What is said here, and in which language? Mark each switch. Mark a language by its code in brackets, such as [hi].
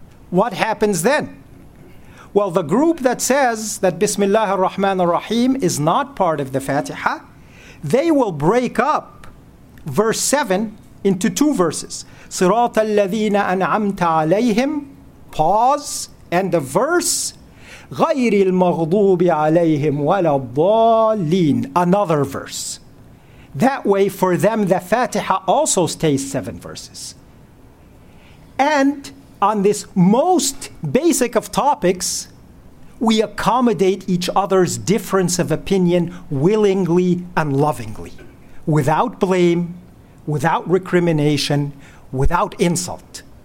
[en] What happens then? Well, the group that says that Bismillah ar-Rahman ar-Rahim is not part of the Fatiha, they will break up verse 7 into two verses. [ar] صراط الذين أنعمت عليهم, [en] pause, end of verse. [ar] غير المغضوب عليهم ولا الضالين, [en] another verse. That way, for them, the Fatiha also stays seven verses. And on this most basic of topics, we accommodate each other's difference of opinion willingly and lovingly, without blame, without recrimination, without insult.